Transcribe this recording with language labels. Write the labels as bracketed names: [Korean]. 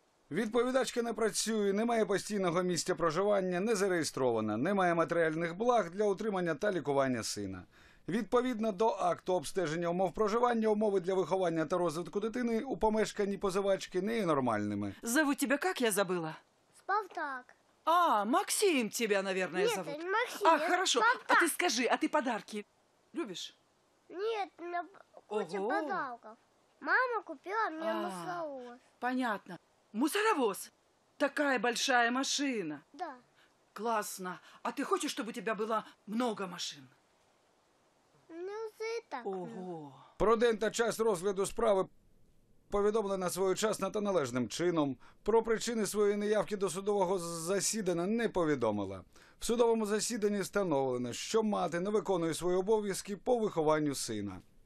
[Ukrainian] Відповідачка не працює, не має постійного місця проживання, не зареєстрована, не має матеріальних благ для утримання та лікування сина. Відповідно до акту обстеження умов проживання, умови для виховання та розвитку дитини у помешканні позивачки не є нормальними. Зовуть тебе як, я забула? Спавтак. [Russian] А, Максим тебе, наверное, зовут. [Ukrainian] Ні, Максим. [Russian] А, хорошо. [Ukrainian] Спавтак. А ти скажи, а ти подарки любиш? Ні, мені куча подарків. Мама купила мені мусоровоз. [Russian] Понятно. Мусоровоз. Такая большая машина. Да. Классно. А ты хочешь, чтобы у тебя было много машин? [Ukrainian] Ну, це так. Ого. Про день та час розгляду справи повідомлена своєчасно та належним чином. Про причини своєї неявки до судового засідання не повідомила. В судовому засіданні встановлено, що мати не виконує свої обов'язки по вихованню сина.